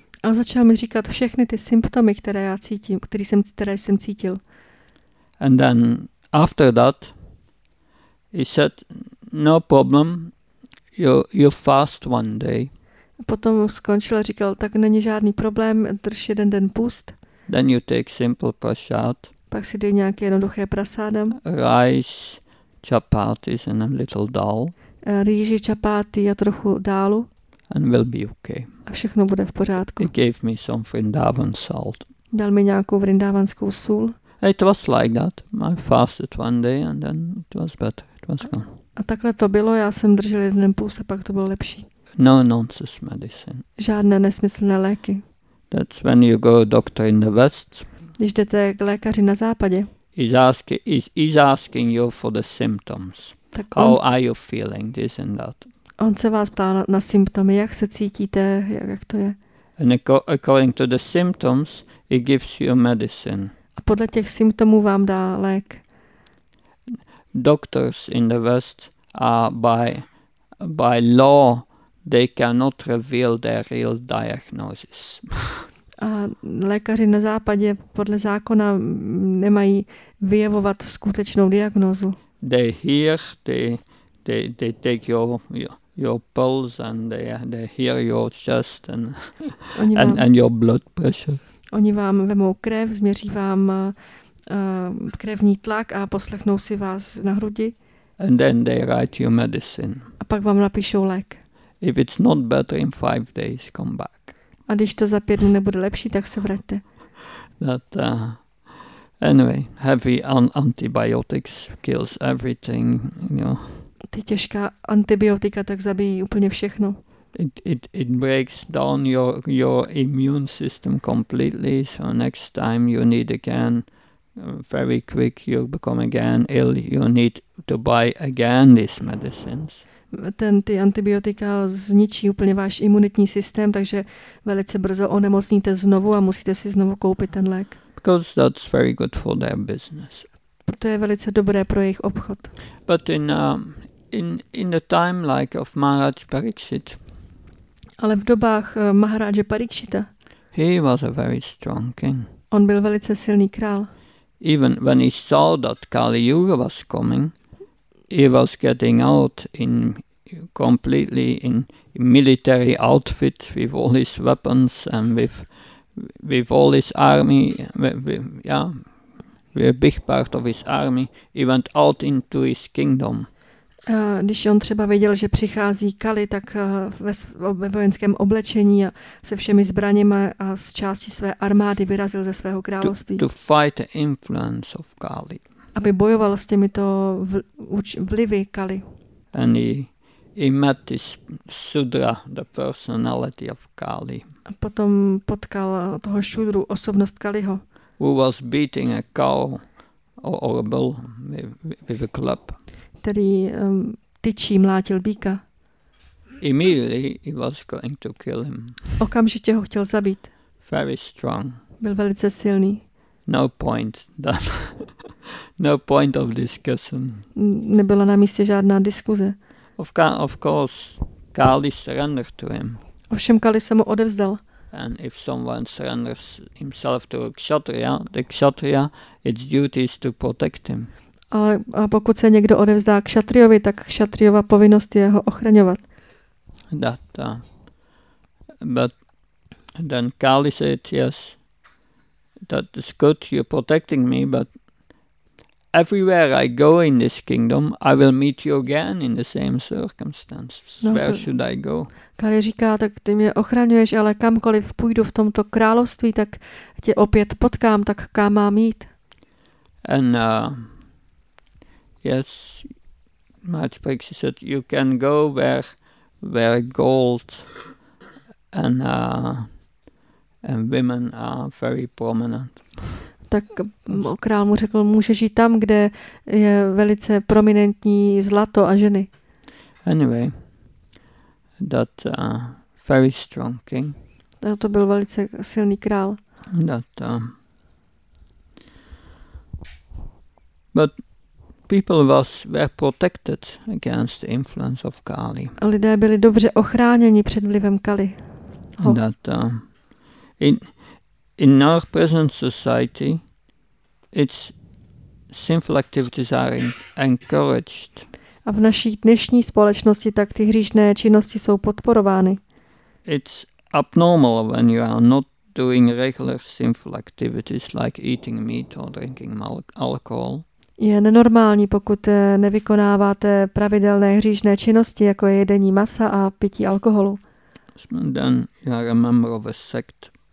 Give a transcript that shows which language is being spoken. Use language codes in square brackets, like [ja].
[cs] A začal mi říkat všechny ty symptomy, které já cítím, které jsem cítil. [en] And then after that, he said, no problem, you fast one day. [cs] Potom skončil a říkal, tak není žádný problém, drž jeden den půst. [en] Then you take simple prasad. [cs] Pak si dej nějaké jednoduché prasádam. [en] Rice, chapatis and a little dal. [cs] Rýži, čapáty a trochu dálu. [en] And will be okay. [cs] A všechno bude v pořádku. [en] He gave me some Vrindavan salt. [cs] Dal mi nějakou vrindávanskou sůl. [en] It was like that. I fasted one day and then it was better. It was gone. [cs] A takhle to bylo. Já jsem držel jeden půst a pak to bylo lepší. [en] No nonsense medicine. [cs] Žádné nesmyslné léky. [en] That's when you go to doctor in the West. [cs] Když jdete k lékaři na západě. [en] He's asking you for the symptoms. How are you feeling this and that? [cs] On se vás ptá na symptomy, jak se cítíte, jak to je. [en] And according to the symptoms, he gives you medicine. [cs] A podle těch symptomů vám dá lék. [en] Doctors in the West are by law they cannot reveal their real diagnosis. [cs] A lékaři na západě podle zákona nemají vyjevovat skutečnou diagnózu. [en] They hear, they take your pulse and they hear your chest and your blood pressure. [cs] Oni vám vemou krev, změří vám krevní tlak a poslechnou si vás na hrudi. [en] And then they write you medicine. [cs] A pak vám napíšou lék. [en] If it's not better in 5 days, come back. [cs] A když to za 5 dní nebude lepší, tak se vraťte. [en] That, anyway, heavy antibiotics kills everything, you know. [cs] Ty těžká antibiotika tak zabijí úplně všechno. [en] It breaks down your immune system completely, so next time you need again, very quick you become again ill, you need to buy again these medicines. [cs] Ty antibiotika zničí úplně váš imunitní systém, takže velice brzo onemocníte znovu a musíte si znovu koupit ten lék. [en] Because that's very good for their business. [cs] Proto je velice dobré pro jejich obchod. [en] But in the time like of Maharaj Pariksit. [cs] Ale v dobách Maharaje Parikshita. [en] He was a very strong king. [cs] On byl velice silný král. [en] Even when he saw that Kali Yuga was coming, he was getting out in completely in military outfit with all his weapons and with all his army, with a big part of his army, he went out into his kingdom. [cs] Když on třeba věděl, že přichází Kali, tak ve vojenském oblečení a se všemi zbraněmi a z části své armády vyrazil ze svého království. [en] To fight the influence of Kali. [cs] Aby bojoval s těmito vlivy Kali. [en] And he met this Sudra, the personality of Kali. [cs] A potom potkal toho Šudru, osobnost Kaliho. [en] Who was beating a cow or a bull with a club. [cs] Který tyčí mlátil býka. [en] Immediately he was going to kill him. [cs] Okamžitě ho chtěl zabít. [en] Very strong. [cs] Byl velice silný. [en] No point done. No point of discussion. [cs] Nebyla na místě žádná diskuze. [en] Of course, Kali surrendered to him. [cs] Ovšem Kali se mu odevzdal. [en] And if someone surrenders himself to a kshatriya, the kshatriya, its duty is to protect him. [cs] Ale a pokud se někdo odevzdá kšatriovi, tak kšatriova povinnost je ho ochraňovat. [en] That, but then Kali said, yes, that is good, you're protecting me, but everywhere I go in this kingdom, I will meet you again in the same circumstances. No, where should I go? [cs] Kali říká, tak ty mě ochraňuješ, ale kamkoliv půjdu v tomto království, tak tě opět potkám, tak kam mám jít? [en] And yes, Maharaj Pariksit said, you can go where gold and women are very prominent. [cs] Tak král mu řekl, můžeš jít tam, kde je velice prominentní zlato a ženy. [en] Anyway, that very strong king. [cs] To byl velice silný král. [en] That, but people were protected against the influence of Kali. [cs] Lidé byli dobře ochráněni před vlivem Kali. [en] That, in our present society, its sinful activities are encouraged. [cs] A v naší dnešní společnosti tak ty hříšné činnosti jsou podporovány. [en] It's abnormal when you are not doing regular sinful activities like eating meat or drinking alcohol. [cs] Je nenormální, pokud nevykonáváte pravidelné hříšné činnosti, jako je jedení masa a pití alkoholu. [en] Then you are a member of a sect.